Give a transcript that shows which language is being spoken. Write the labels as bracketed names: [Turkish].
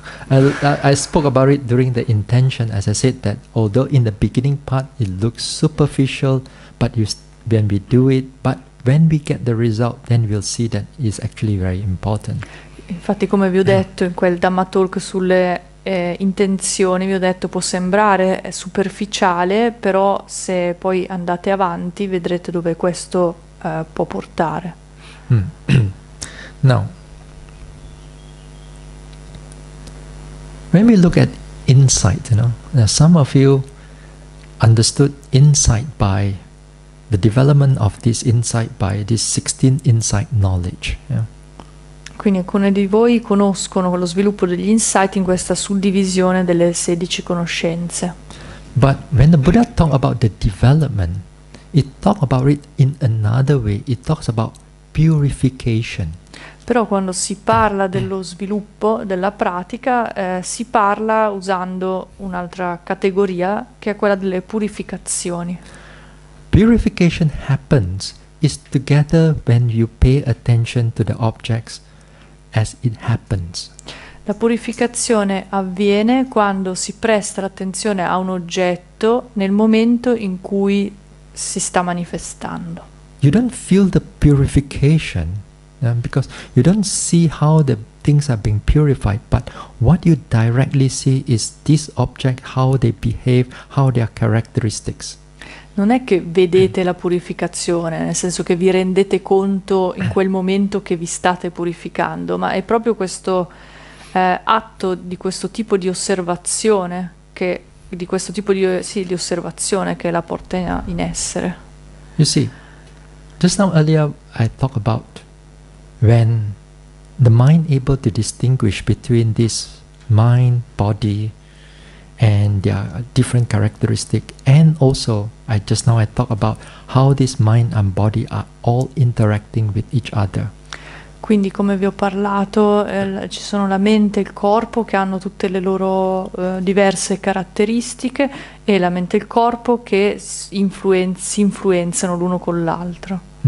[English] I spoke about it during the intention, as I said that although in the beginning part it looks superficial, but when we do it, but when we get the result, then we'll see that it's actually very important. [Italian] Infatti, come vi ho detto in quel Dhamma Talk sulle intenzioni, vi ho detto può sembrare superficiale, però se poi andate avanti vedrete dove questo può portare. [English] Now, when we look at insight, you know, now some of you understood insight by the development of this insight by this 16 insight knowledge. Yeah? [Italian] Quindi alcuni di voi conoscono lo sviluppo degli insight in questa suddivisione delle 16 conoscenze. [English] But when the Buddha talked about the development, he talked about it in another way. He talks about purification. [Italian] Però quando si parla dello sviluppo della pratica, si parla usando un'altra categoria, che è quella delle purificazioni. [English] Purification happens is together when you pay attention to the objects as it happens. [Italian] La purificazione avviene quando si presta l'attenzione a un oggetto nel momento in cui si sta manifestando. [English] You don't feel the purification, because you don't see how the things are being purified, but what you directly see is this object, how they behave, how their characteristics. [Italian] Non è che vedete la purificazione, nel senso che vi rendete conto in quel momento che vi state purificando, ma è proprio questo atto di questo tipo di osservazione che di questo tipo di sì, di osservazione che la porta in essere. [English] You see, just now earlier I talked about when the mind able to distinguish between this mind body and their different characteristics, and also I talked about how this mind and body are all interacting with each other. [Italian] Quindi, come vi ho parlato, ci sono la mente e il corpo che hanno tutte le loro diverse caratteristiche e la mente e il corpo che si influenzano l'uno con l'altro.